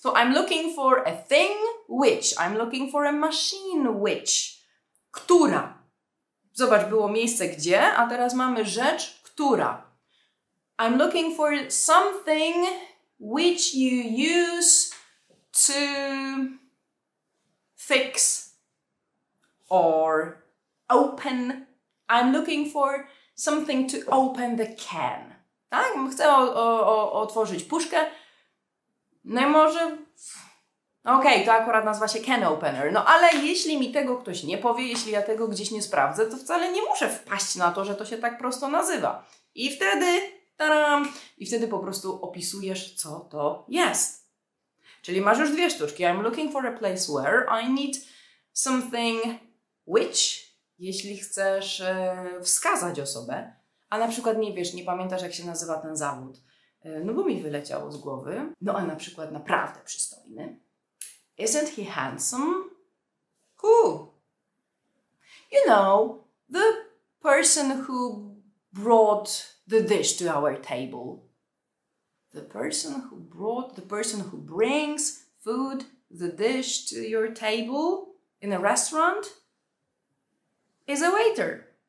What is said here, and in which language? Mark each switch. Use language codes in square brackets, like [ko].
[en] So I'm looking for a thing which. I'm looking for a machine which. [pl] Która. Zobacz, było miejsce gdzie, a teraz mamy rzecz, która. [en] I'm looking for something which you use to fix or open. I'm looking for something to open the can. [pl] Tak? Chcę otworzyć puszkę. No i może... Okej, to akurat nazywa się can opener. No ale jeśli mi tego ktoś nie powie, jeśli ja tego gdzieś nie sprawdzę, to wcale nie muszę wpaść na to, że to się tak prosto nazywa. I wtedy... Taram! I wtedy po prostu opisujesz, co to jest. Czyli masz już dwie sztuczki. [en] I'm looking for a place where I need something which, [pl] jeśli chcesz wskazać osobę, a na przykład nie wiesz, nie pamiętasz, jak się nazywa ten zawód. No bo mi wyleciało z głowy. No a na przykład naprawdę przystojny. [en] Isn't he handsome? Who? You know, the person who brought the dish to our table. The person who brings food, the dish to your table in a restaurant is a waiter.